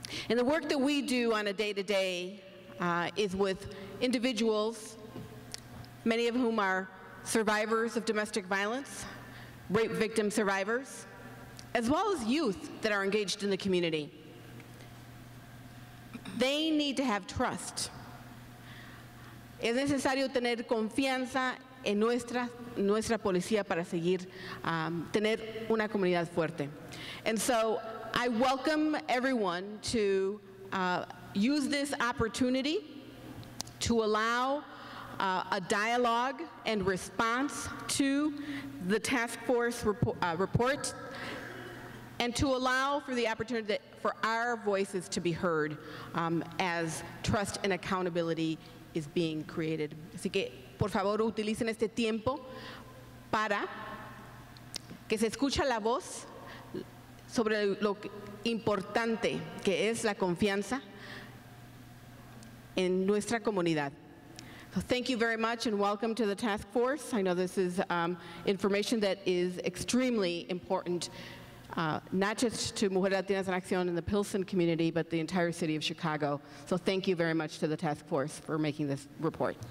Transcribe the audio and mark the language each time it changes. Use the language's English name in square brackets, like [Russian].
[English] And the work that we do on a day-to-day is with individuals, many of whom are survivors of domestic violence, rape victim survivors, as well as youth that are engaged in the community. They need to have trust. [Spanish] Es necesario tener confianza en nuestra policía para seguir tener una comunidad fuerte. [English] And so I welcome everyone to use this opportunity to allow a dialogue and response to the task force report and to allow for the opportunity for our voices to be heard as trust and accountability is being created. [Spanish] Así que, por favor, utilicen este tiempo para que se escuche la voz sobre lo importante que es la confianza en nuestra comunidad. [English] So thank you very much and welcome to the task force. I know this is information that is extremely important, not just to Mujeres Latinas en Acción in the Pilsen community, but the entire city of Chicago. So thank you very much to the task force for making this report.